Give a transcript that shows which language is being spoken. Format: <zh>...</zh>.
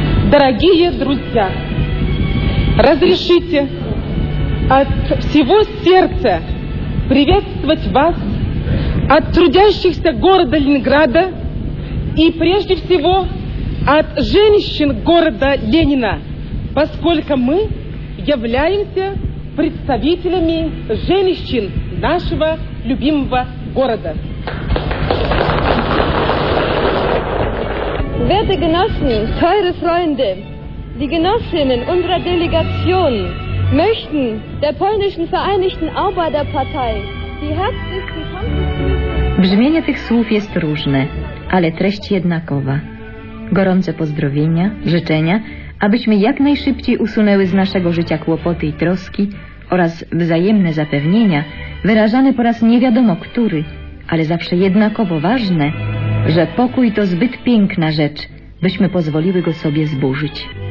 <ru>Дорогие друзья, разрешите от всего сердца приветствовать вас от трудящихся города Ленинграда и прежде всего от женщин города Ленина, поскольку мы являемся представителями женщин нашего любимого города.</ru> <de>Werte Genossen, teure Freunde, die Genossinnen unserer Delegation möchten der polnischen Vereinigten Arbeiterpartei die herzlichsten Kampfgrüße.</de> <pl>Brzmienie tych słów jest różne, ale treść jednakowa. Gorące pozdrowienia, życzenia, abyśmy jak najszybciej usunęły z naszego życia kłopoty i troski oraz wzajemne zapewnienia, wyrażane po raz nie wiadomo który, ale zawsze jednakowo ważne, że pokój to zbyt piękna rzecz, byśmy pozwoliły go sobie zburzyć.</pl>